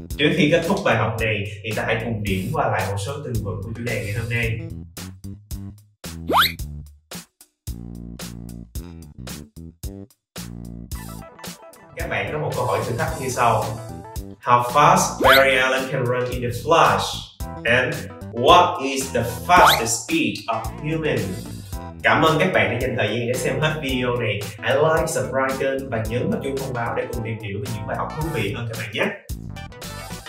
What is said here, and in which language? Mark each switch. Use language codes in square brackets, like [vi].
[vi] Trước khi kết thúc bài học này thì ta hãy cùng điểm qua lại một số từ vựng của chủ đề ngày hôm nay. Các bạn có một câu hỏi thử thách như sau: [en] How fast Barry Allen can run in a flash? And what is the fastest speed of human? [vi] Cảm ơn các bạn đã dành thời gian để xem hết video này. Hãy like, subscribe kênh và nhấn vào chuông thông báo để cùng tìm hiểu về những bài học thú vị hơn các bạn nhé.